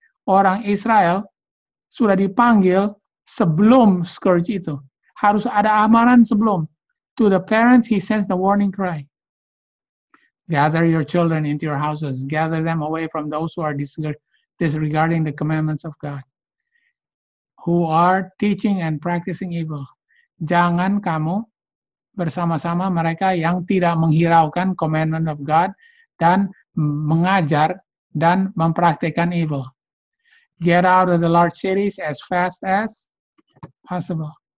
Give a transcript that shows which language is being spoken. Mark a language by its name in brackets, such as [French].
[Indonesian] Orang Israel sudah dipanggil sebelum scourge itu. Harus ada amaran sebelum. [English] To the parents he sends the warning cry. Gather your children into your houses. Gather them away from those who are disregarding the commandments of God. who are teaching and practicing evil. [Indonesian] Jangan kamu bersama-sama mereka yang tidak menghiraukan [English] commandment of God [Indonesian] dan mengajar dan mempraktikkan evil. [English] Get out of the large cities as fast as possible.